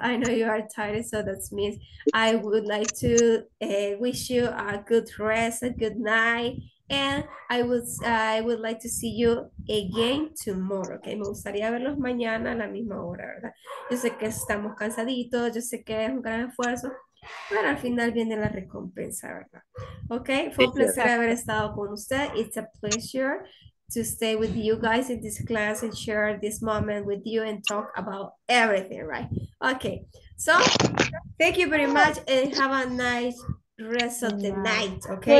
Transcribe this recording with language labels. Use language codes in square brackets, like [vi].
[en] I know you are tired, so that means I would like to wish you a good rest, a good night. And I would like to see you again tomorrow, okay? [es] Me gustaría verlos mañana a la misma hora, ¿verdad? Yo sé que estamos cansaditos, yo sé que es un gran esfuerzo, pero al final viene la recompensa, ¿verdad? Okay, fue un placer haber estado con usted. [en] It's a pleasure to stay with you guys in this class and share this moment with you and talk about everything, right? Okay, so thank you very much and have a nice rest of the night, okay?